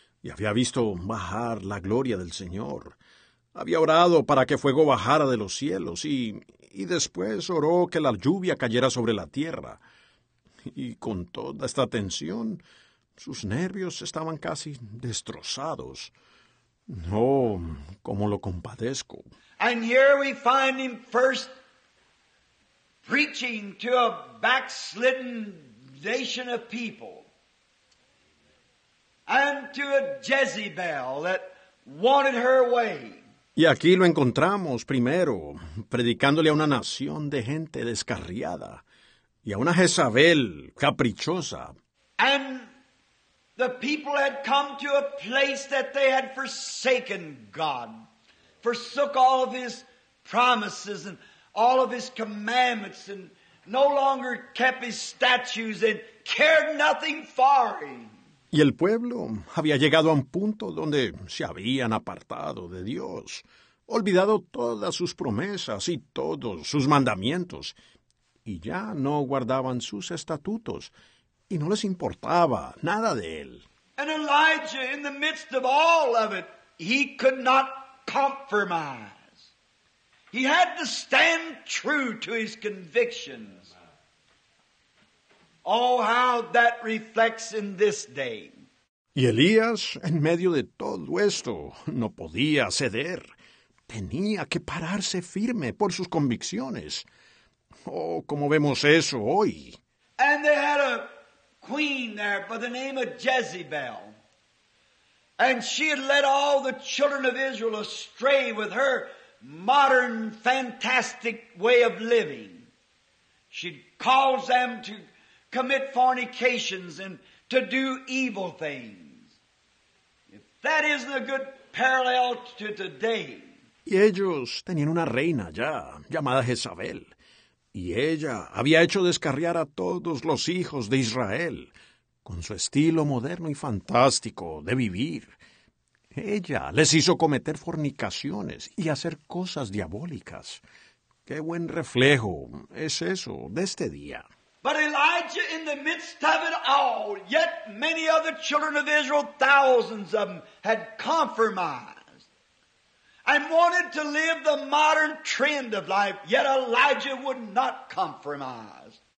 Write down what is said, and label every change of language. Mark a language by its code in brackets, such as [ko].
[es] Y había visto bajar la gloria del Señor. Había orado para que fuego bajara de los cielos y después oró que la lluvia cayera sobre la tierra. Y con toda esta tensión, sus nervios estaban casi destrozados. Oh, cómo lo compadezco. [en] And here we find him first preaching to a backslidden nation of people. And to a Jezebel that wanted her way. [es] Y aquí lo encontramos primero, predicándole a una nación de gente descarriada, y a una Jezabel caprichosa. [en] And the people had come to a place that they had forsaken God, forsook all of his promises and all of his commandments, and no longer kept his statutes and cared nothing for him. [es] Y el pueblo había llegado a un punto donde se habían apartado de Dios, olvidado todas sus promesas y todos sus mandamientos, y ya no guardaban sus estatutos, y no les importaba nada de él. [en] And Elijah, in the midst of all of it, he could not compromise. He had to stand true to his convictions. Oh, how that reflects in this day. [es] Y Elías, en medio de todo esto, no podía ceder. Tenía que pararse firme por sus convicciones. Oh, cómo vemos eso hoy. [en] And they had a queen there by the name of Jezebel. And she had led all the children of Israel astray with her modern, fantastic way of living. She'd caused them to commit fornications and to do evil things. If that isn't a good parallel to today. [es] Y ellos tenían una reina ya, llamada Jezabel. Y ella había hecho descarriar a todos los hijos de Israel con su estilo moderno y fantástico de vivir. Ella les hizo cometer fornicaciones y hacer cosas diabólicas. Qué buen reflejo es eso de este día. [en] But Elijah, in the midst of it all, yet many other children of Israel, thousands of them, had compromised and wanted to live the modern trend of life, yet Elijah would not compromise.